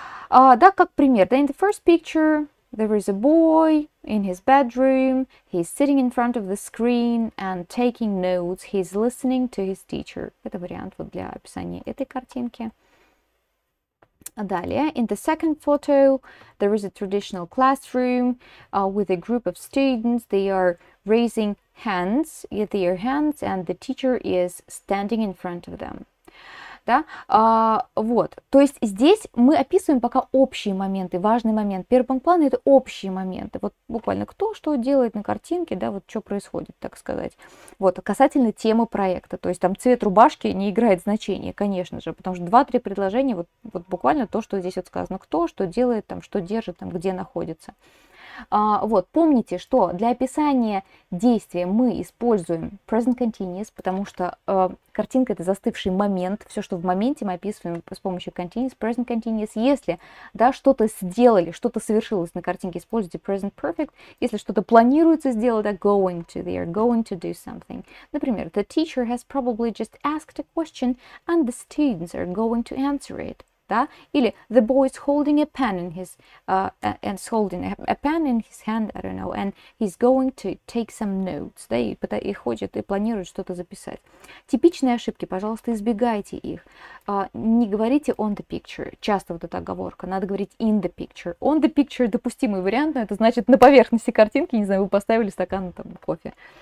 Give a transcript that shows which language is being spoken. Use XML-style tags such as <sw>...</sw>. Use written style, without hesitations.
<ru>Да, как пример,</ru> <en>in the first picture, there is a boy in his bedroom, he's sitting in front of the screen and taking notes, he's listening to his teacher.</en> <ru>Это вариант вот для описания этой картинки. Далее,</ru> <en>in the second photo, there is a traditional classroom with a group of students, they are raising hands, their hands, and the teacher is standing in front of them.</en> <ru>Да? Вот, то есть здесь мы описываем пока общие моменты, важный момент. Первый пункт плана – это общие моменты. Вот буквально кто что делает на картинке, да, вот что происходит, так сказать. Вот, касательно темы проекта, то есть там цвет рубашки не играет значения, конечно же, потому что 2-3 предложения, вот буквально то, что здесь вот сказано, кто что делает, там, что держит, там, где находится. Вот, помните, что для описания действия мы используем present continuous, потому что картинка это застывший момент, все, что в моменте мы описываем с помощью continuous, present continuous. Если да, что-то сделали, что-то совершилось на картинке, используйте present perfect. Если что-то планируется сделать, да,</ru> <en>going to, they are going to do something.</en> <ru>Например,</ru> <en>the teacher has probably just asked a question and the students are going to answer it.</en> <ru>Да? Или</ru> <en>the boy is holding a pen in his and is holding a pen in his hand, I don't know, and he's going to take some notes.</en> <ru>Да, и хочет и планирует что-то записать. Типичные ошибки, пожалуйста, избегайте их. Не говорите</ru> <en>on the picture.</en> <ru>Часто вот эта оговорка. Надо говорить</ru> <en>in the picture. On the picture</en> <ru>— допустимый вариант, но это значит на поверхности картинки. Не знаю, вы поставили стакан там кофе.</ru>